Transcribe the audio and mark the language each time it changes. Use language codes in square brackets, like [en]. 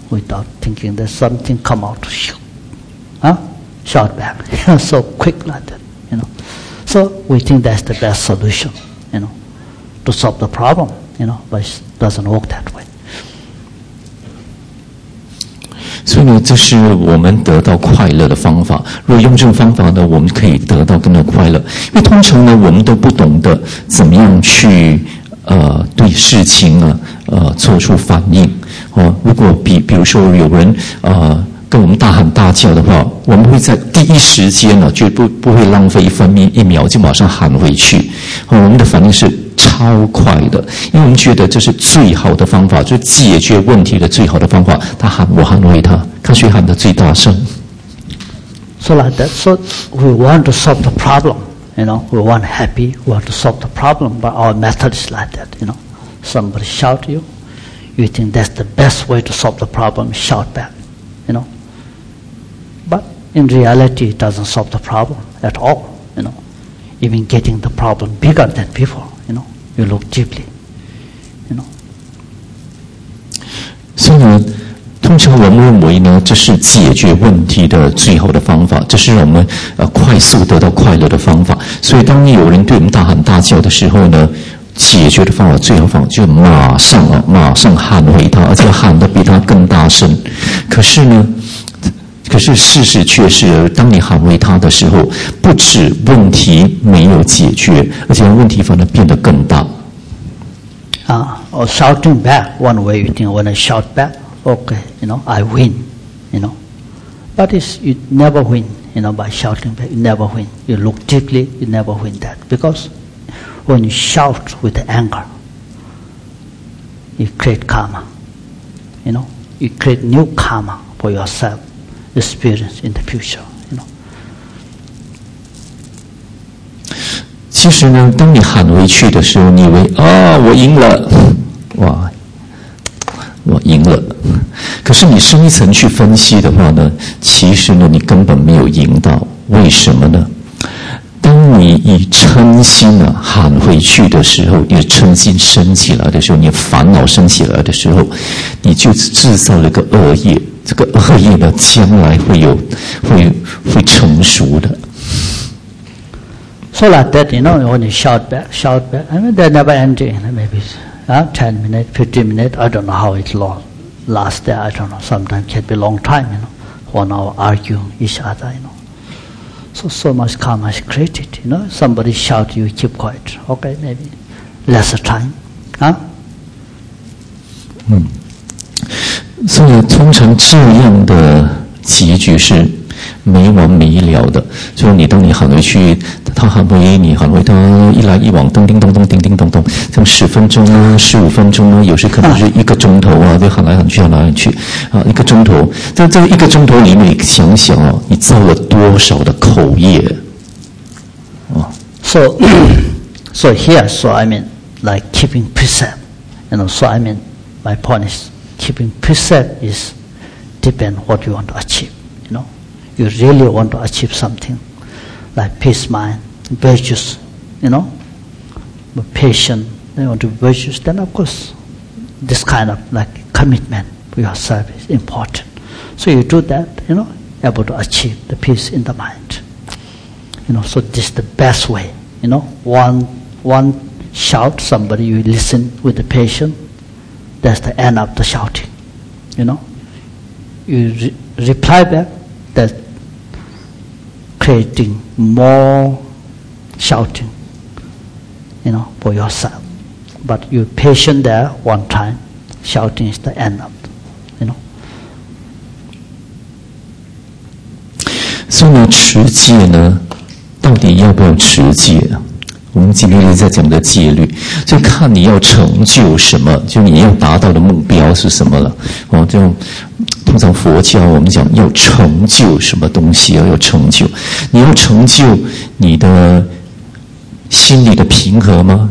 [en] without thinking that something come out, shot back, so quick like that, you know. So we think that's the best solution, you know, to solve the problem, you know, but it doesn't work that way. [zh] 所以呢，这是我们得到快乐的方法。如果用这种方法呢，我们可以得到更多快乐。因为通常呢，我们都不懂得怎么样去对事情呢做出反应。如果比如说有人跟我们大喊大叫的话，我们会在第一时间呢，就不会浪费一秒就马上喊回去。我们的反应是超快的，因为我们觉得这是最好的方法，就解决问题的最好的方法。他喊我捍卫他，看谁喊得最大声。 [en] So like that, so we want to solve the problem, you know, we want happy, we want to solve the problem, but our method is like that, you know. Somebody shout you, you think that's the best way to solve the problem, shout back, you know. But in reality, it doesn't solve the problem at all, you know. Even getting the problem bigger than before. You look deeply, you know. [zh] 所以呢，通常我们认为呢，这是解决问题的最好的方法，这是让我们快速得到快乐的方法。所以，当有人对我们大喊大叫的时候呢，解决的方法最好方法就马上喊回他，而且喊得比他更大声。可是事实却是，当你捍卫他的时候，不止问题没有解决，而且问题反而变得更大。 [en] Or shouting back, one way you think, when I shout back, okay, you know, I win, you know. But it's, you never win, you know, by shouting back, you never win. You look deeply, you never win that. Because when you shout with anger, you create karma, you know. You create new karma for yourself. Experience in the future, you know. [zh] 其实呢，当你喊回去的时候，你以为啊，我赢了，哇，我赢了。可是你深一层去分析的话呢，其实呢，你根本没有赢到。为什么呢？当你以嗔心呢喊回去的时候，你的嗔心升起来的时候，你的烦恼升起来的时候，你就制造了一个恶业。这个恶业呢，将来会成熟的。 [en] So like that, you know, when you shout back, I mean, they're never ending. Maybe 10 minutes, 15 minutes, I don't know how it lasts there, I don't know. Sometimes can be a long time, you know, 1 hour arguing each other, you know. So much karma is created, you know. Somebody shout, you keep quiet. Okay, maybe lesser time. [zh] 所以通常这样的结局是没完没了的，就是你当你喊回去，他喊回你，喊回他，一来一往，叮叮咚咚，叮叮咚咚，像十分钟啊，十五分钟啊，有时可能是一个钟头啊，就喊来喊去，喊来喊去啊，一个钟头。在这一个钟头里面，你想想啊，你造了多少的口业 [en] 啊 ？So here, so I mean, like keeping precept, you know. So I mean, my point is. Keeping precept is depend what you want to achieve. You know, you really want to achieve something like peace mind, virtues. You know, but patient. You want to be virtuous. Then of course, this kind of like commitment for yourself is important. So you do that. You know, able to achieve the peace in the mind. You know, so this is the best way. You know, one shout somebody you listen with the patient. That's the end of the shouting, you know. You reply back, that creating more shouting, you know, for yourself. But you patient there one time, shouting is the end of, you know. [zh] 所以呢，持戒呢，到底要不要持戒啊？我们今天在讲的戒律，就看你要成就什么，就你要达到的目标是什么了。就通常佛教我们讲要成就什么东西，要成就，你要成就你的心理的平和吗？